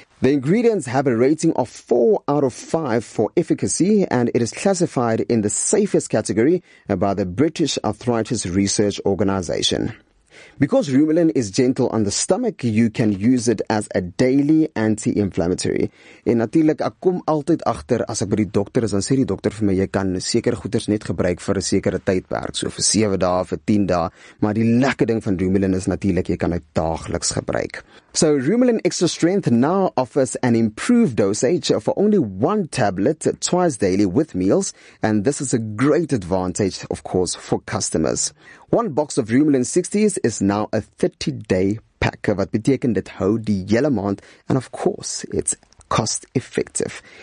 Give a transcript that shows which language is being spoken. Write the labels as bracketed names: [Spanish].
[English] The ingredients have a rating of 4 out of 5 for efficacy, and it is classified in the safest category by the British Arthritis Research Organization. Because Rumelin is gentle on the stomach, you can use it as a daily anti-inflammatory. [Afrikaans] En natuurlik, ek kom altyd agter as ek by die dokter is, dan sê die dokter vir my, jy kan sekere goeders net gebruik vir 'n sekere tydperk, so vir 7 dae, vir 10 dae, maar die lekker ding van Rumelin is natuurlik, jy kan dit daagliks gebruik. [English] So Rumelin Extra Strength now offers an improved dosage for only one tablet twice daily with meals, and this is a great advantage, of course, for customers. One box of Rumelin 60s is now a 30-day pack, [Afrikaans] wat beteken dit hou die hele maand, [English] and of course, it's cost-effective.